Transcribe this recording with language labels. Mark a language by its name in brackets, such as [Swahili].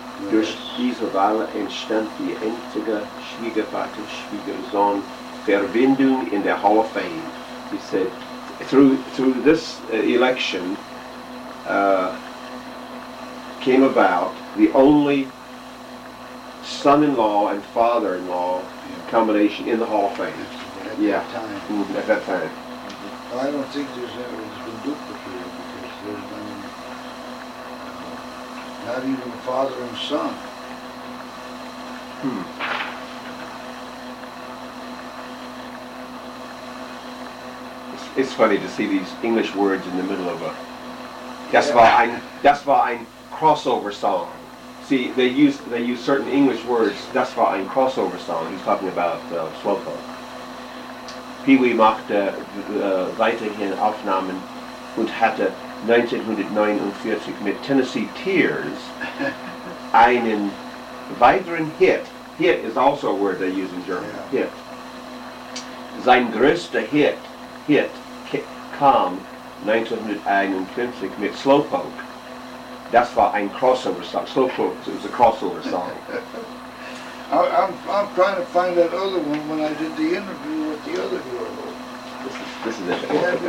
[German] Durch diese Wahl entstand die einzige Schwiegervater-Schwiegersohn Verbindung in der Hall of Fame. [English] He said, through this election came about the only son-in-law and father-in-law combination in the Hall of Fame. At that time. Well, I don't think there's ever been duplicated, because there's been not even a father and son. It's funny to see these English words in the middle of a... [German] Das war ein crossover song. [English] See, they use certain English words. [German] Das war ein crossover song. [English] He's talking about Swellcoat. [German] Pee-wee machte weiterhin Aufnahmen und hatte 1949 mit Tennessee Tears einen weiteren Hit. [English] Hit is also a word they use in German. [German] Yeah. Hit. Sein größter Hit kam 1951 mit Slowpoke. Das war ein crossover song. [English] Slowpoke was a crossover song. I'm trying to find that other one when I did the interview with the other girl.